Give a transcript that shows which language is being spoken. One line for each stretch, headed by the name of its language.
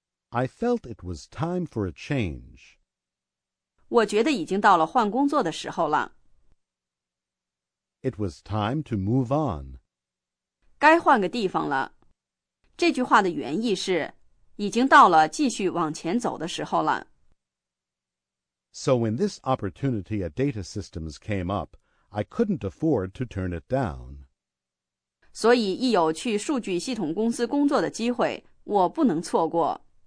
English: I felt it was time for a change.
Chinese: 我觉得已经到了换工作的时候了。
English: It was time to move on.
Chinese: 该换个地方了。这句话的原意是，已经到了继续往前走的时候了。
English: So when this opportunity at data systems came up, I couldn't afford to turn it down.
Chinese: 所以一有去数据系统公司工作的机会，我不能错过。